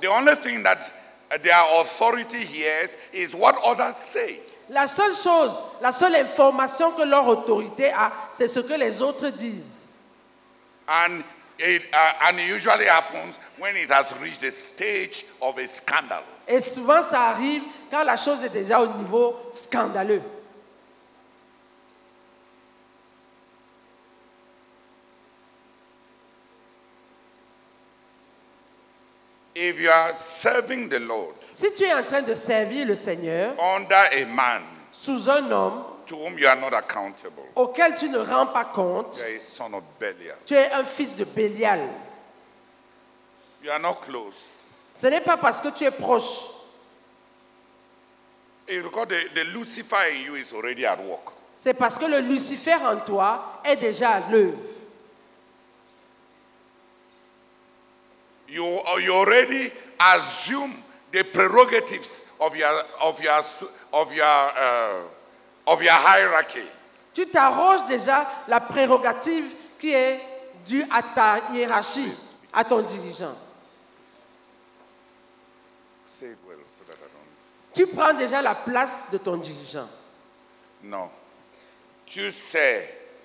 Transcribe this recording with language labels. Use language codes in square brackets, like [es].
[en] The only thing that their authority hears is what others say. [fr] La seule chose, la seule information que leur autorité a, c'est ce que les autres disent. [en] And it usually happens when it has reached the stage of a scandal. [fr] Et souvent ça arrive quand la chose est déjà au niveau scandaleux. [en] If you are serving the Lord, [fr] si tu es en train de servir le Seigneur, [en] under a man, [fr] sous un homme, [en] to whom you are not accountable, [fr] auquel tu ne rends pas compte, [en] you are a son of Belial. [fr] Tu es un fils de Belial. [en] You are not close. [fr] Ce n'est pas parce que tu es proche. [en] It's because the Lucifer in you is already at work. [fr] C'est parce que le Lucifer en toi est déjà à l'œuvre. [en] You already assume the prerogatives of your hierarchy. [fr] Tu t'arroges déjà la prérogative qui est due à ta hiérarchie, à ton dirigeant. [en] Say it well so that I don't. [fr] Tu prends déjà la place de ton dirigeant. Non. Tu sais.